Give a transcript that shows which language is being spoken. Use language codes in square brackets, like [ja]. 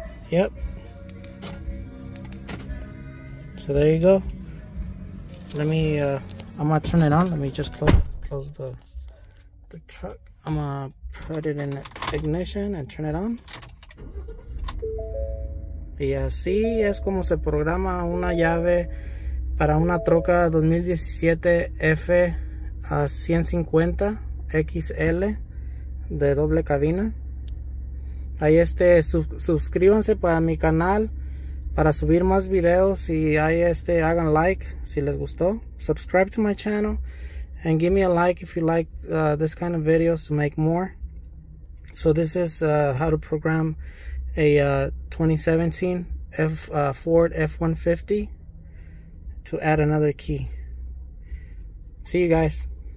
[en] Yep. So there you go. Let me, I'm gonna turn it on. Let me just close the truck. I'm gonna put it in ignition and turn it on. [es] Y así es como se programa una llave para una troca 2017 F150XL de doble cabina. Ahí suscríbanse para mi canal para subir más videos, y ahí hagan like si les gustó. [en] Subscribe to my channel and give me a like if you like this kind of videos to make more. So this is how to program a 2017 Ford F-150 to add another key. See you guys.